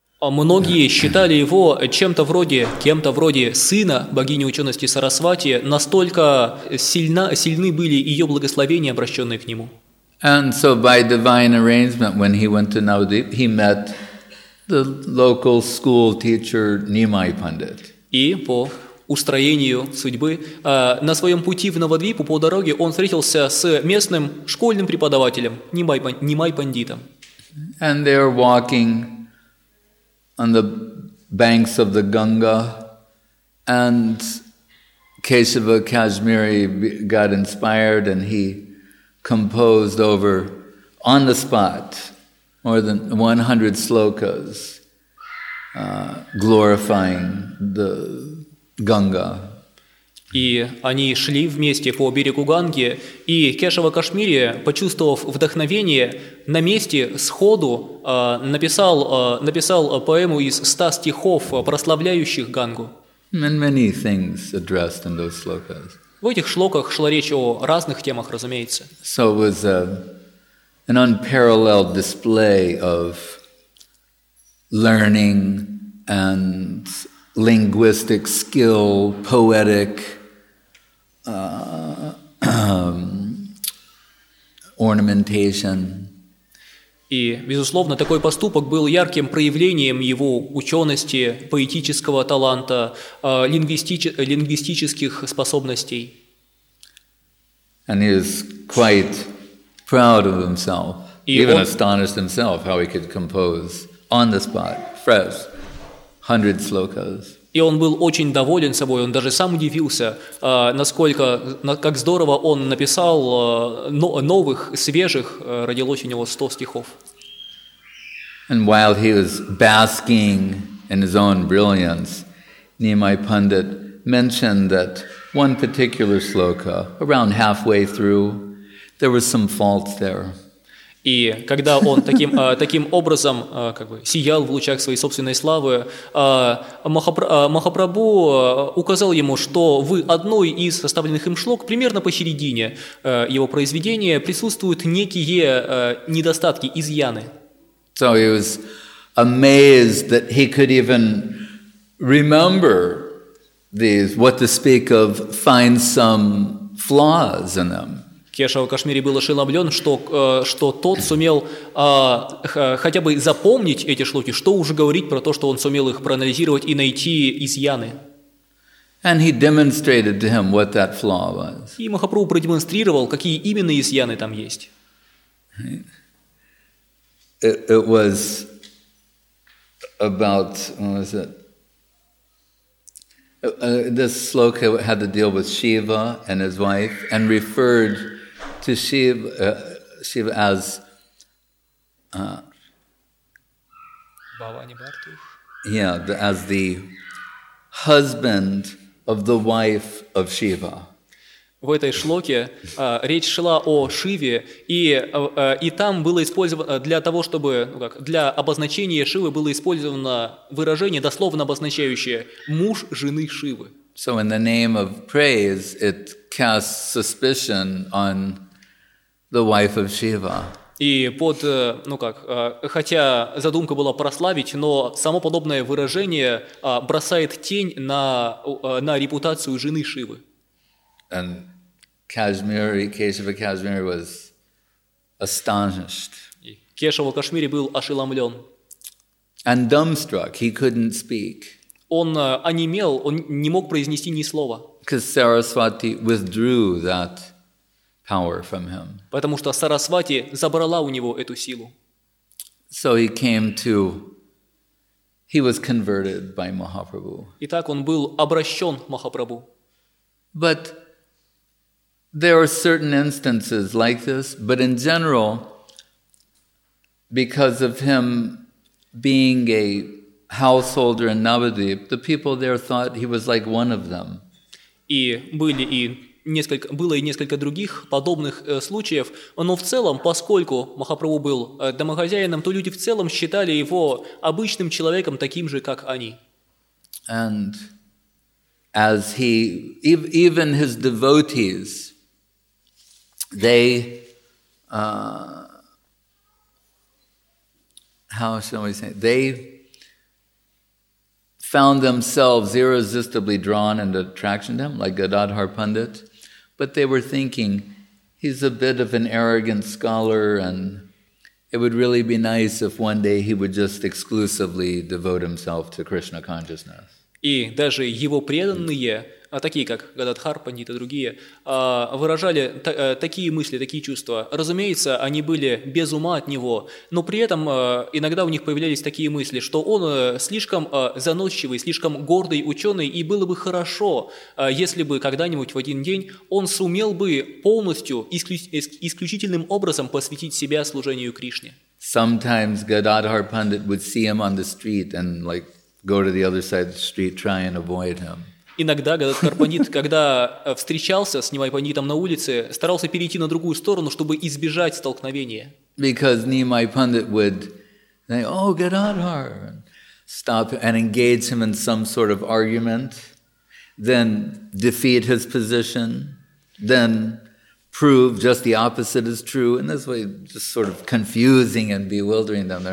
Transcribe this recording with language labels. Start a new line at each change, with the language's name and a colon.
Russian: А многие считали его чем-то вроде, сына богини учености Сарасвати, настолько сильны были ее благословения, обращенные к нему.
English: And so by divine arrangement, when he went to Navadvip, he met the local school teacher Nimai Pandit.
Russian: И по устроению судьбы, на своем пути в Навадвипу по дороге он встретился с местным школьным преподавателем Нимай Пандитом.
English: And they are walking on the banks of the Ganga, and Keshava Kashmiri got inspired, and he composed over, on the spot, more than 100 slokas glorifying the Ganga.
Russian: И они шли вместе по берегу Ганги, и Кешава Кашмири, почувствовав вдохновение, на месте сходу написал поэму из 100 стихов, прославляющих Гангу.
English: Many things addressed in those slokas.
Russian: В этих шлоках шла речь о разных темах, разумеется.
English: So it was an unparalleled display of learning and linguistic skill, poetic ornamentation.
Russian: И, безусловно, такой поступок был ярким проявлением его учености, поэтического таланта, лингвистических способностей.
English: And he is quite proud of himself, even astonished himself how he could compose on the spot, fresh, 100 slokas.
Russian: И он был очень доволен собой, он даже сам удивился, насколько, как здорово он написал новых, свежих, родилось у него 100 стихов.
English: And while he was basking in his own brilliance, Nimai Pandit mentioned that one particular sloka, around halfway through, there were some faults there.
Russian: И когда он таким образом как бы сиял в лучах своей собственной славы, Махапрабху указал ему, что в одной из составленных им шлок, примерно посередине его произведения, присутствуют некие недостатки, изъяны.
English: So he was amazed that he could even remember these, what to speak of, find some flaws in them.
Russian: Кешава Кашмири был ошеломлен, что тот сумел хотя бы запомнить эти шлоки, что уже говорить про то, что он сумел их проанализировать и найти изъяны.
English: And he demonstrated to him what that flaw was.
Russian: И Махапрабху продемонстрировал, какие именно изъяны там есть.
English: It was about, what was it? This sloka had to deal with Shiva and his wife and referred to Shiva as Bhavani Bharti. Yeah, as the husband of the wife of Shiva.
Russian: В этой шлоке речь шла о Шиве, и там было использовано для того, чтобы, ну как, для обозначения Шивы было использовано выражение, дословно обозначающее муж жены Шивы.
English: So in the name of praise, it casts suspicion on the wife of Shiva.
Russian: И под, ну как, хотя задумка была прославить, но само подобное выражение бросает тень на репутацию жены Шивы.
English: And Keshava Kashmiri was astonished.
Russian: Кешава Кашмири был ошеломлен.
English: And dumbstruck, he couldn't speak.
Russian: Он онемел, он не мог произнести ни слова.
English: Because Sarasvati withdrew that power from him.
Russian: Потому что Сарасвати забрала у него эту силу.
English: So he came to. He was converted by Mahaprabhu.
Russian: Итак, он был обращен Махапрабху.
English: But there are certain instances like this, but in general, because of him being a householder in Navadvip, the people there thought he was like one of them.
Russian: И были и несколько, было и несколько других подобных случаев, но в целом, поскольку Махапрабху был домохозяином, то люди в целом считали его обычным человеком, таким же, как они.
English: And as he, even his devotees, they, how shall we say, they found themselves irresistibly drawn and attraction to him, like Gadadhar Pandit, but they were thinking, he's a bit of an arrogant scholar, and it would really be nice if one day he would just exclusively devote himself to Krishna consciousness.
Russian: И даже его преданные, такие как Гададхар, Пандит и другие, выражали такие мысли, такие чувства. Разумеется, они были без ума от него, но при этом иногда у них появлялись такие мысли, что он слишком заносчивый, слишком гордый ученый, и было бы хорошо, если бы когда-нибудь в один день он сумел бы полностью, исключительным образом посвятить себя служению Кришне.
English: Sometimes Gadadhar Pandit would see him on the street and like, go to the other side of the street, try and avoid him.
Russian: Иногда Гададхар Пандит, когда встречался с Нимай Пандитом на улице, старался перейти на другую сторону, чтобы избежать столкновения.
English: Because Nimai Pandit would say, "Oh, Gadadhar," stop and engage him in some sort of argument, then defeat his position, then prove just the opposite is true, in this way, just sort of confusing and bewildering them.